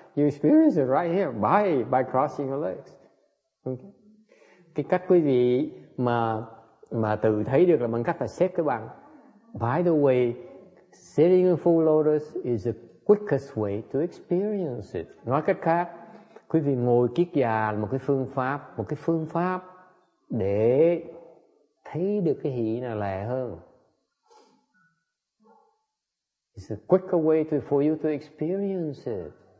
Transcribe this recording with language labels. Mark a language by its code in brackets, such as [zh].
[en] You experience it right here by crossing your legs. [vi] Okay? Cái cách quý vị mà tự thấy được là bằng cách là xếp cái bàn. [en] By the way, sitting in full lotus is a quickest way to experience it. [vi] Nói cách khác, quý vị ngồi kiết già là một cái phương pháp để thấy được cái hỷ nào lẹ hơn. [en] It's a quicker way to, for you to experience it.